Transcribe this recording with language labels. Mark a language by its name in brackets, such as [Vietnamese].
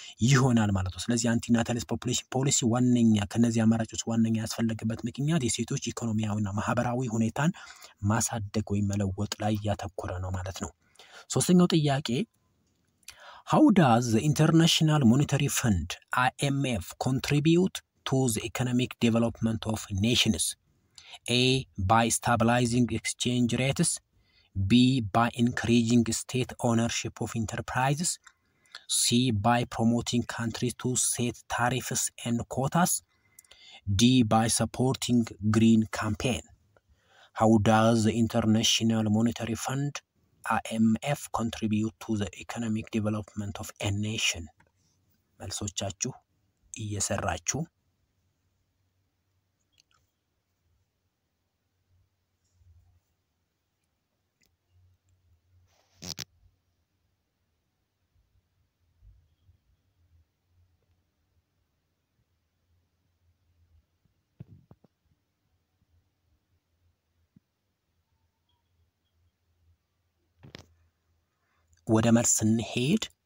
[Amharic] ይሆናል ማለት ነው። ስለዚህ አንቲ ናታሊስ ፖፑሌሽን ፖሊሲ ዋነኛ ከነዚህ አማራጮች ዋነኛ ያስፈለግበት ምክንያት የሴቶች ኢኮኖሚያዊና ማህበራዊ ሁኔታን ማሳደግ ወይም መለወጥ ላይ ያተኮረ ነው ማለት ነው። ሶስተኛው ጥያቄ [English] How does the International Monetary Fund, IMF, contribute to the economic development of nations? A. By stabilizing exchange rates. B. By increasing state ownership of enterprises. C. By promoting countries to set tariffs and quotas. D. By supporting green campaign. How does the International Monetary Fund, IMF contribute to the economic development of a nation? [Amharic] መልሶቻችሁ እየሰራችሁ ወደ መልስ እንሄድ።